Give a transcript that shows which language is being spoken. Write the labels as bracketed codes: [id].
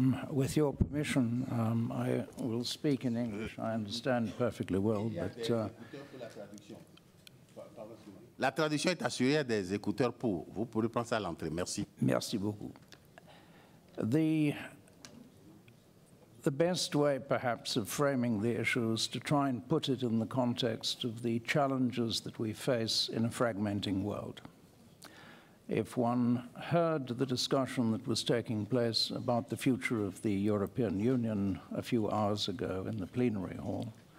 [en] With your permission, I will speak in English. I understand perfectly well, but [fr] la traduction est assurée à des écouteurs pour. Vous pourrez prendre ça à l'entrée. Merci. Merci beaucoup. [en] The best way, perhaps, of framing the issue is to try and put it in the context of the challenges that we face in a fragmenting world. If one heard the discussion that was taking place about the future of the European Union a few hours ago in the plenary hall,